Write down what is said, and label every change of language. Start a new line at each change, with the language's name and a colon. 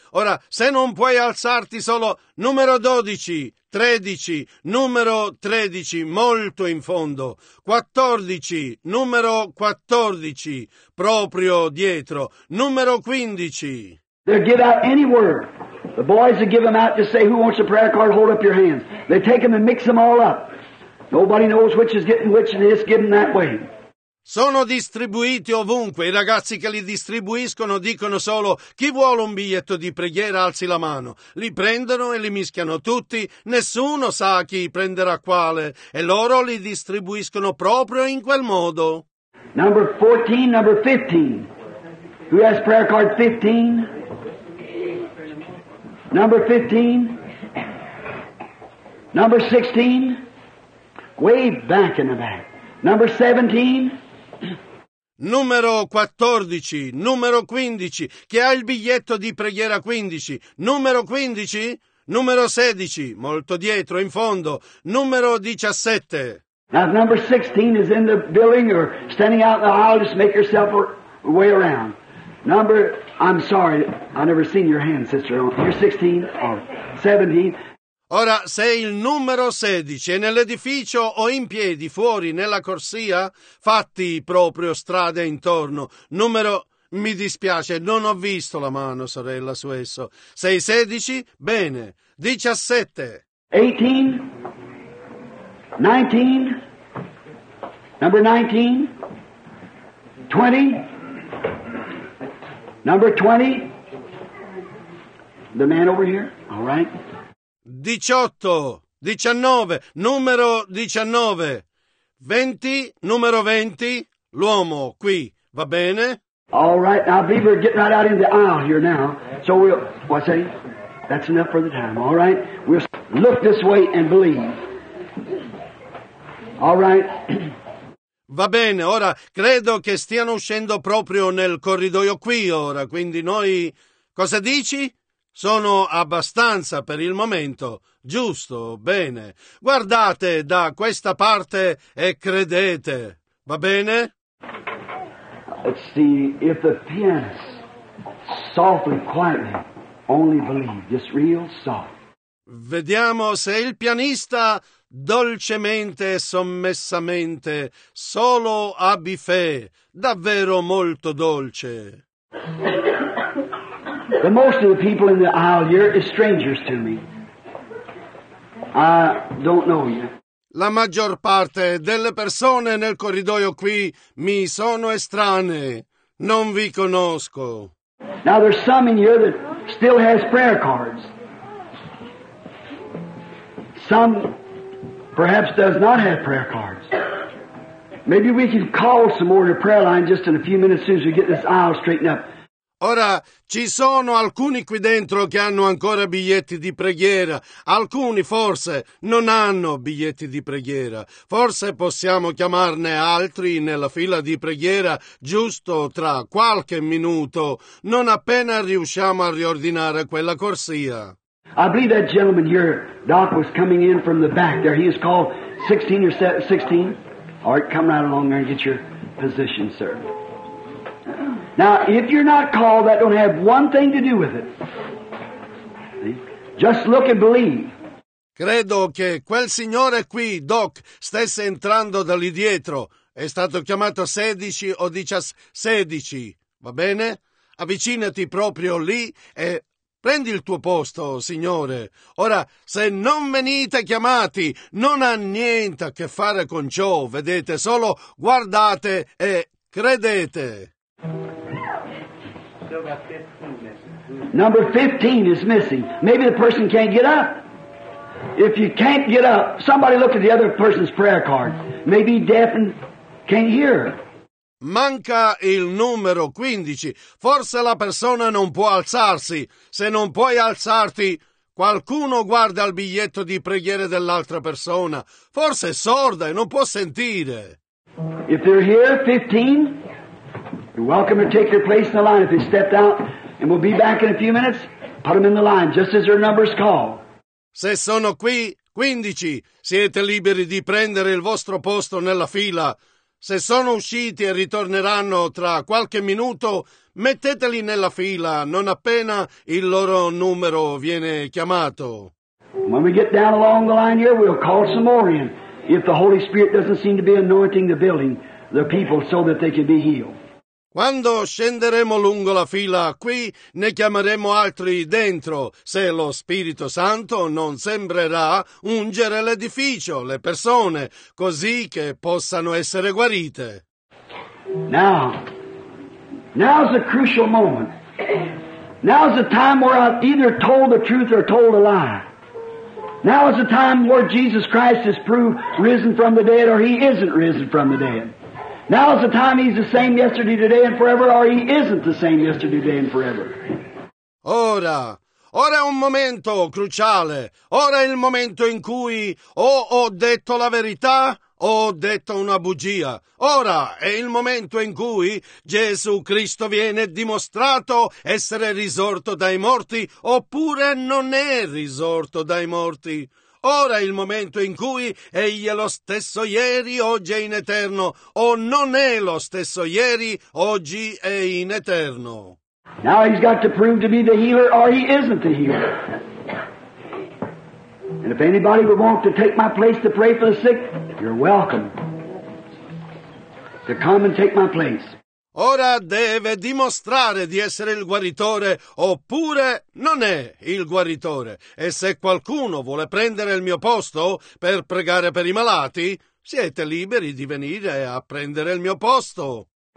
Italian: Ora, se non puoi alzarti solo, numero 12, 13, numero 13, molto in fondo, 14, numero 14, proprio dietro, numero 15.
English: They give out any word. The boys that give them out just say, who wants a prayer card, hold up your hands. They take them and mix them all up. Nobody knows which is getting which and it's getting that way.
Italian: Sono distribuiti ovunque, i ragazzi che li distribuiscono dicono solo chi vuole un biglietto di preghiera alzi la mano, li prendono e li mischiano tutti, nessuno sa chi prenderà quale e loro li distribuiscono proprio in quel modo.
English: Number 14, number 15, who has prayer card 15? Number 15, number 16, way back in the back, number 17.
Italian: Numero 14, numero 15, chi ha il biglietto di preghiera 15? Numero 15, numero 16, molto dietro in fondo, numero 17.
English: Now if number 16 is in the building or standing out in the aisle, just make yourself way around. Number, I'm sorry, I never seen your hand, sister. You're 16 or 17.
Italian: Ora, se il numero 16 è nell'edificio o in piedi, fuori, nella corsia, fatti proprio strada intorno. Numero, mi dispiace, non ho visto la mano, sorella, su esso. Sei 16? Bene. 17.
English: 18. 19. Number 19. 20. Number 20. The man over here. All right.
Italian: 18, 19, numero 19, 20, numero 20, l'uomo qui, va bene?
English: All right, now people are getting right out in the aisle here now, so we'll, what say? That's enough for the time, all right? We'll look this way and believe. All right.
Italian: Va bene, ora credo che stiano uscendo proprio nel corridoio qui ora, quindi noi, cosa dici? Sono abbastanza per il momento. Giusto, bene. Guardate da questa parte e credete. Va bene?
English: Let's see, if the pianist softly, quietly, only believe, just real soft.
Italian: Vediamo se il pianista dolcemente e sommessamente solo abbi fe, davvero molto dolce.
English: The most of the people in the aisle here is strangers to me. I don't know you.
Italian: La maggior parte delle persone nel corridoio qui mi sono estranee. Non vi conosco.
English: Now there's some in here that still has prayer cards. Some perhaps does not have prayer cards. Maybe we can call some more to prayer line just in a few minutes as soon as we get this aisle straightened up.
Italian: Ora, ci sono alcuni qui dentro che hanno ancora biglietti di preghiera. Alcuni, forse, non hanno biglietti di preghiera. Forse possiamo chiamarne altri nella fila di preghiera giusto tra qualche minuto, non appena riusciamo a riordinare quella corsia.
English: I believe that gentleman here, Doc, was coming in from the back there. He is called 16 or 16. All right, come right along there and get your position, sir. Now, if you're not called, that don't have one thing to do with it. Just look and believe.
Italian: Credo che quel signore qui, Doc, stesse entrando da lì dietro. È stato chiamato 16 o 16, va bene? Avvicinati proprio lì e prendi il tuo posto, signore. Ora, se non venite chiamati, non ha niente a che fare con ciò, vedete? Solo guardate e credete.
English: Number 15 is missing. Maybe the person can't get up. If you can't get up, somebody look at the other person's prayer card. Maybe deaf and can't hear.
Italian: Manca il numero 15. Forse la persona non può alzarsi. Se non puoi alzarti, qualcuno guarda il biglietto di preghiere dell'altra persona. Forse è sorda e non può sentire.
English: If they're here, 15. You're welcome to take your place in the line if they stepped out, and we'll be back in a few minutes. Put them in the line, just as their numbers call.
Italian: Se sono qui, 15, siete liberi di prendere il vostro posto nella fila. Se sono usciti e ritorneranno tra qualche minuto, metteteli nella fila non appena il loro numero viene chiamato.
English: When we get down along the line here, we'll call some more in. If the Holy Spirit doesn't seem to be anointing the building, the people, so that they can be healed.
Italian: Quando scenderemo lungo la fila qui, ne chiameremo altri dentro, se lo Spirito Santo non sembrerà ungere l'edificio, le persone, così che possano essere guarite.
English: Now's a crucial moment. Now's the time where I've either told the truth or told a lie. Now is the time where Jesus Christ is proved risen from the dead or he isn't risen from the dead. Now is the time he's the same yesterday, today and forever, or he isn't the same yesterday, today and forever.
Italian: Ora è un momento cruciale. Ora è il momento in cui o ho detto la verità o ho detto una bugia. Ora è il momento in cui Gesù Cristo viene dimostrato essere risorto dai morti oppure non è risorto dai morti. Ora è il momento in cui egli è lo stesso ieri, oggi e in eterno, o non è lo stesso ieri, oggi e in eterno.
English: Now he's got to prove to be the healer or he isn't the healer. And if anybody would want to take my place to pray for the sick, you're welcome to come and take my place.
Italian: Ora deve dimostrare di essere il guaritore, oppure non è il guaritore. E se qualcuno vuole prendere il mio posto per pregare per i malati, siete liberi di venire a prendere il mio posto.